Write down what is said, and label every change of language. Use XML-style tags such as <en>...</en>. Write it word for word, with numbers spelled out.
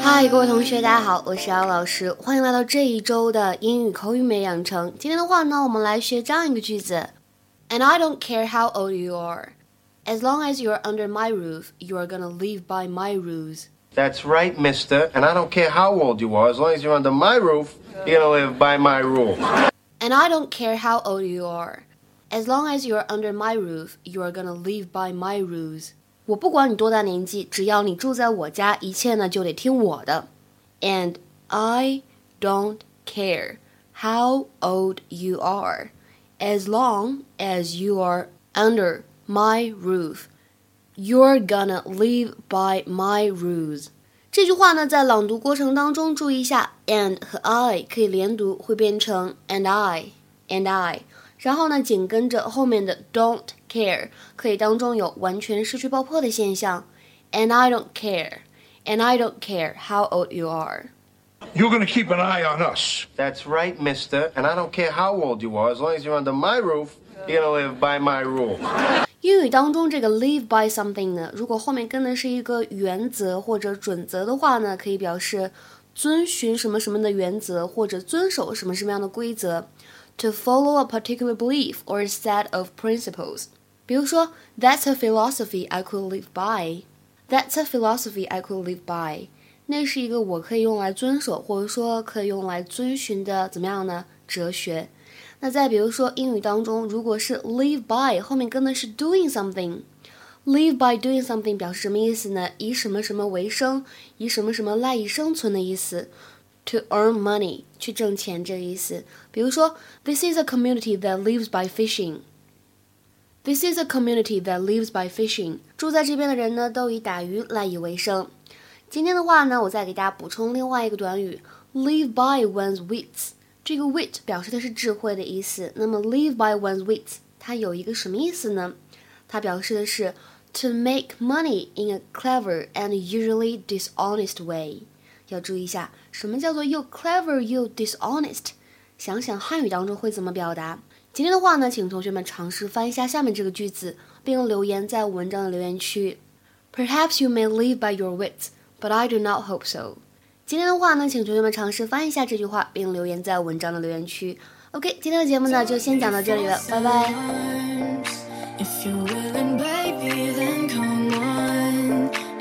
<zh>嗨，各位同学，大家好，我是姚老师，欢迎来到这一周的英语口语美养成。今天的话呢，我们来学这样一个句子</zh> <en>：And I don't care how old you are, as long as you're under my roof, you are gonna live by my rules. That's right, mister. And I don't care how old you are. As long as you're under my roof, you're going to live by my rules. And I don't care how old you are. As long as you're under my roof, you're going to live by my rules.</en> <zh>我不管你多大年纪，只要你住在我家，一切呢就得听我的。</zh> <en>And I don't care how old you are. As long as you are under my roof. You're gonna live by my rules.</en> <zh>这句话呢，在朗读过程当中注意一下 ，and 和 I 可以连读，会变成</zh> <en>and I and I。</en> <zh>然后呢，紧跟着后面的</zh> <en>don't care，</en> <zh>可以当中有完全失去爆破的现象。</zh> <en>And I don't care. And I don't care how old you are. You're gonna keep an eye on us. That's right, mister. And I don't care how old you are, as long as you're under my roof, you're gonna live by my rules.</en> <zh>英语当中这个</zh> <en>live by something</en> <zh>呢，如果后面跟的是一个原则或者准则的话呢，可以表示遵循什么什么的原则或者遵守什么什么样的规则。</zh> <en>To follow a particular belief or a set of principles.</en> <zh>比如说</zh> <en>That's a philosophy I could live by. That's a philosophy I could live by.</en> <zh>那是一个我可以用来遵守或者说可以用来遵循的怎么样呢？哲学。那再比如说英语当中如果是 live by 后面跟的是</zh> <en>doing something live by doing something</en> <zh>表示什么意思呢？以什么什么为生，以什么什么赖以生存的意思。</zh> <en>To earn money</en> <zh>去挣钱这个意思。</zh> <en>比如说 This is a community that lives by fishing. This is a community that lives by fishing.</en> <zh>住在这边的人呢都以打鱼赖以为生。今天的话呢，我再给大家补充另外一个短语</zh> <en>live by one's wits。</en> <zh>这个 wit 表示的是智慧的意思，那么</zh> <en>live by one's wits</en> <zh>它有一个什么意思呢？它表示的是</zh> <en>to make money in a clever and usually dishonest way。</en> <zh>要注意一下什么叫做又 clever 又 dishonest， 想想汉语当中会怎么表达。今天的话呢，请同学们尝试翻一下下面这个句子，并留言在文章的留言区。</zh> <en>Perhaps you may live by your wits, but I do not hope so。</en> <zh>今天的话呢，请同学们尝试翻一下这句话，并留言在文章的留言区。 OK， 今天的节目呢就先讲到这里了，拜拜。</zh>